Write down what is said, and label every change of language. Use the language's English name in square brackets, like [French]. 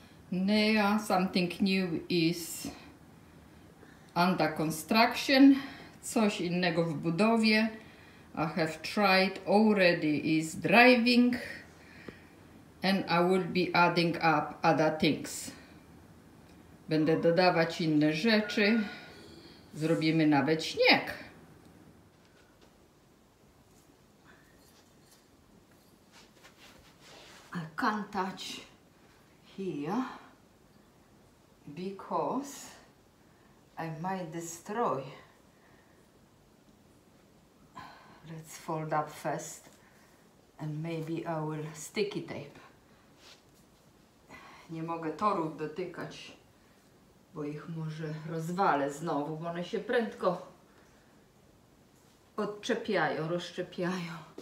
[English] Yeah, something new is under construction. [Polish] Coś innego w budowie. [English] I have tried already is driving. And I will be adding up other things. [Polish] Będę dodawać inne rzeczy. Zrobimy nawet śnieg. [English] I can't touch here because I might destroy. Let's fold up first and maybe I will sticky tape. [Polish] Nie mogę torów dotykać, bo ich może rozwalę znowu, bo one się prędko odczepiają, rozczepiają.